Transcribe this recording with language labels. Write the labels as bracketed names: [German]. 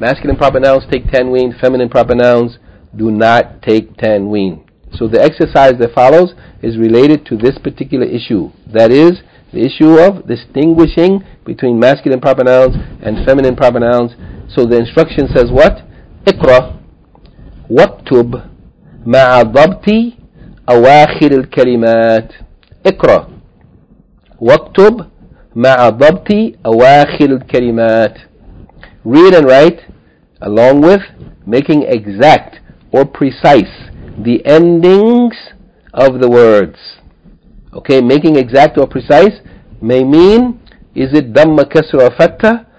[English] Masculine proper nouns take tanween. Feminine proper nouns do not take tanween. So the exercise that follows is related to this particular issue. That is, the issue of distinguishing between masculine proper nouns and feminine proper nouns. So the instruction says what? [Arabic] اقرأ واكتب مع ضبط أواخر الكلمات. اقرأ واكتب مع ضبط أواخر الكلمات. [English] Read and write along with making exact or precise the endings of the words. Okay, making exact or precise may mean, is it Dhamma, Kasra, or Fatta?